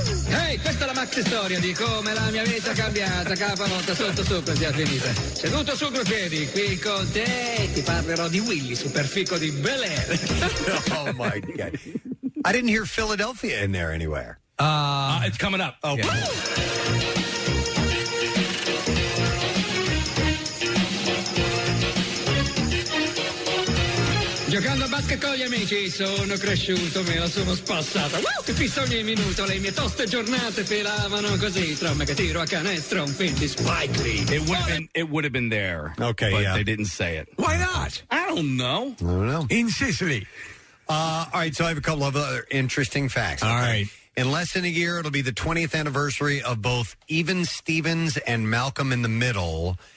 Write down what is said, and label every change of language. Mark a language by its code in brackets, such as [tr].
[it] Hey, questa è la maxi storia di come la mia vita è cambiata. Capa monta sotto sopra, si è finita. Seduto su due piedi, qui con te. Ti parlerò di Willy, super fico di Bel Air. [en] Oh my God. I didn't hear Philadelphia in there anywhere. It's coming up. Oh, yeah. Woo! [it] Giocando a basket con gli amici sono cresciuto, me la sono spassata. Woo! Che fissa ogni minuto, le mie toste giornate filavano così. Tra me che tiro a canestro, un film di Spike Lee. [en] It would have been there. Okay, but yeah. But they didn't say it. Why not? I don't know. In Sicily. All right, so I have a couple of other interesting facts. All right. In less than a year, it'll be the 20th anniversary of both Even Stevens and Malcolm in the Middle,